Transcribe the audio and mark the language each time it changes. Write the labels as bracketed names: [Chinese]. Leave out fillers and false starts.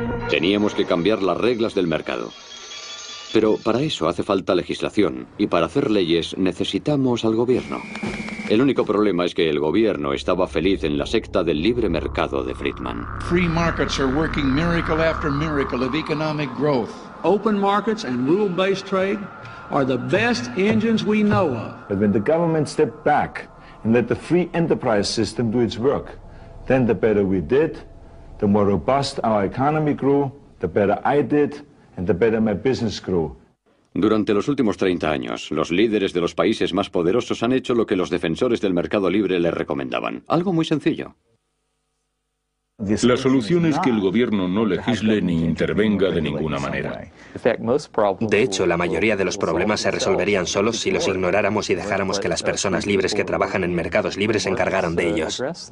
[Spanish] Teníamos que cambiar las reglas del mercado. Pero para eso hace falta legislación, y para hacer leyes necesitamos al gobierno. El único problema es que el gobierno estaba feliz en la secta del libre mercado de Friedman. [English] Free markets are working miracle after miracle of economic growth. Open markets and rule-based trade are the best engines we know of. But when the government stepped back and let the free enterprise system do its work, then the better we did, the more robust our economy grew, the better I did, and the better my business grew. [Spanish] Durante los últimos 30 años, los líderes de los países más poderosos han hecho lo que los defensores del mercado libre les recomendaban. Algo muy sencillo. La solución es que el gobierno no legisle ni intervenga de ninguna manera. De hecho, la mayoría de los problemas se resolverían solos si los ignoráramos y dejáramos que las personas libres que trabajan en mercados libres se encargaran de ellos.